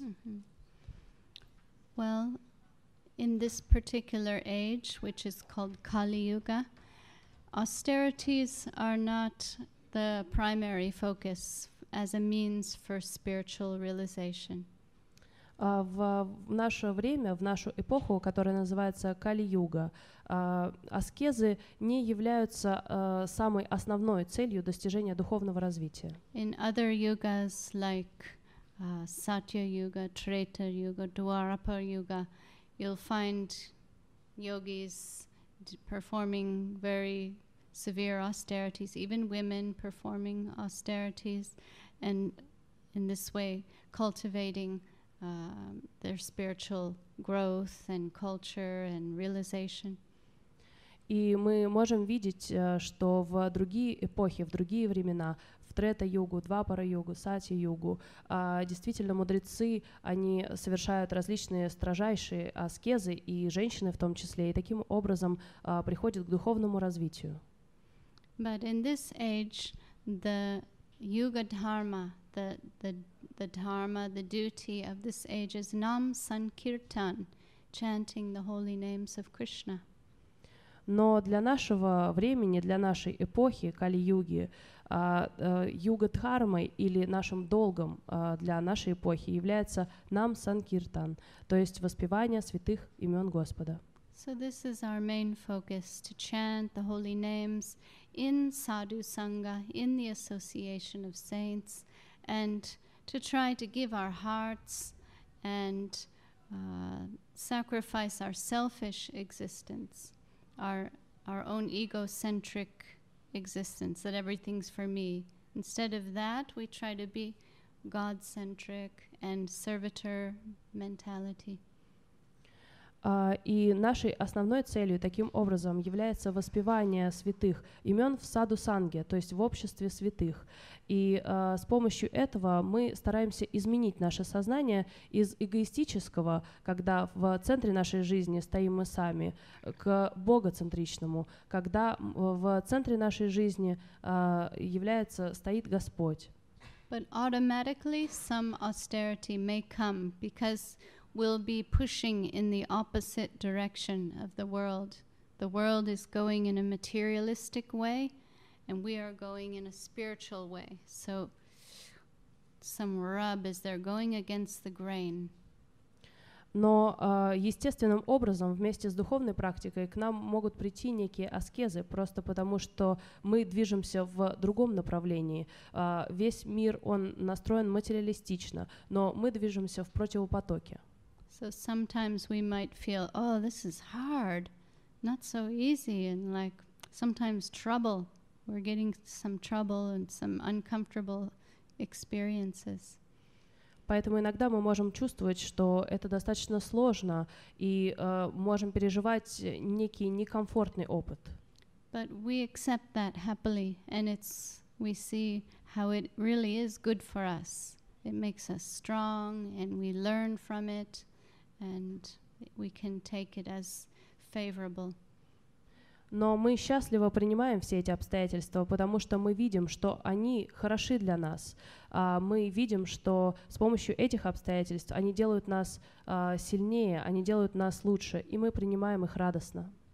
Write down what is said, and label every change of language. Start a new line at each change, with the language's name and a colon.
English: Mm-hmm. Well, in this particular age, which is called Kali Yuga, austerities are not the primary focus as a means for spiritual realization.
Russian: В наше время, в нашу эпоху, которая называется Кали-юга, аскезы не являются самой основной целью достижения духовного развития.
English: In other yugas, like Satya-юга, Трета-юга, Дварапа-юга, you'll find yogis performing very severe austerities, even women performing austerities, and in this way cultivating their spiritual growth and culture and realization.
Russian: И мы можем видеть, что в другие эпохи, в другие времена, в Трета-югу, Двапара-югу, Сати-югу, действительно мудрецы, они совершают различные строжайшие аскезы, и женщины в том числе, и таким образом приходят к духовному развитию.
English: But in this age, the yuga dharma, the dharma, the duty of this age is nam sankirtan, chanting the holy names of Krishna.
Russian: Но для нашего времени, для нашей эпохи Кали-юги, юга дхармой или нашим долгом для нашей эпохи является нам санкиртан, то есть воспевание святых имен Господа.
English: So this is our main focus, to chant the holy names in sadhu sangha, in the association of saints, and to try to give our hearts and sacrifice our selfish existence, our own egocentric existence, that everything's for me. Instead of that, we try to be God-centric and servitor mentality.
Russian: И нашей основной целью таким образом является воспевание святых имен в саду-санге, то есть в обществе святых. И с помощью этого мы стараемся изменить наше сознание из эгоистического, когда в центре нашей жизни стоим мы сами, к богоцентричному, когда в центре нашей жизни стоит Господь.
English: But automatically some austerity may come because will be pushing in the opposite direction of the world. The world is going in a materialistic way, and we are going in a spiritual way. So some rub is they're going against the grain.
Russian: Но естественным образом вместе с духовной практикой к нам могут прийти некие аскезы, просто потому что мы движемся в другом направлении. Весь мир, он настроен материалистично, но мы движемся в противопотоке.
English: So sometimes we might feel, oh, this is hard, not so easy, and like sometimes trouble. We're getting some trouble and some uncomfortable experiences.
Russian: Поэтому иногда мы можем чувствовать, что это достаточно сложно, и можем переживать некий некомфортный опыт.
English: But we accept that happily, and it's we see how it really is good for us. It makes us strong, and we learn from it, and we can take it as favorable.
Russian: Но мы счастливо принимаем все эти обстоятельства, потому что мы видим, что они хороши для нас. Мы видим, что с помощью этих обстоятельств они делают нас сильнее, они делают нас лучше, и мы принимаем их радостно.